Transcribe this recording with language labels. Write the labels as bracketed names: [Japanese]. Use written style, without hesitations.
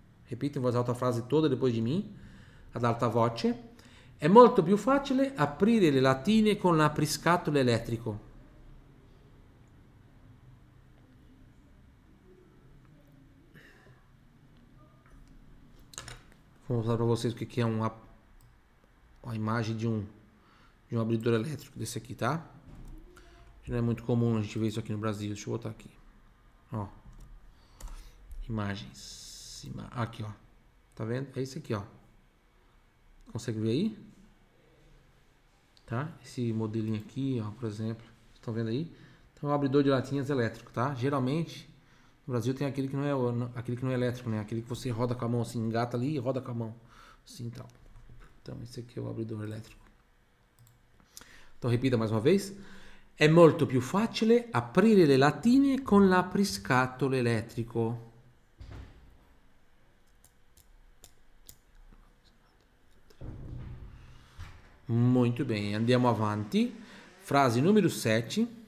[Portuguese] Repita in voz alta a frase toda depois de mim, [Italian] ad alta voce. È molto più facile aprire le latine con l'apriscatole elettrico. [Portuguese] Vou mostrar para vocês o que é uma imagem de um abridor elétrico desse aqui, tá? Não é muito comum a gente ver isso aqui no Brasil. Deixa eu botar aqui. Ó. Imagens. Aqui, ó. Tá vendo? É esse aqui, ó. Consegue ver aí? Tá? Esse modelinho aqui, ó, por exemplo. Estão vendo aí? Então é um abridor de latinhas elétrico, tá? Geralmente, no Brasil tem aquele que não é, aquele que não é elétrico, né? Aquele que você roda com a mão assim, engata ali e roda com a mão. Assim, tal. Então, esse aqui é o abridor elétrico. Então, repita mais uma vez. [Italian] È molto più facile aprire le latine con l'apriscatole elettrico. Molto bene, andiamo avanti. Frase numero 7.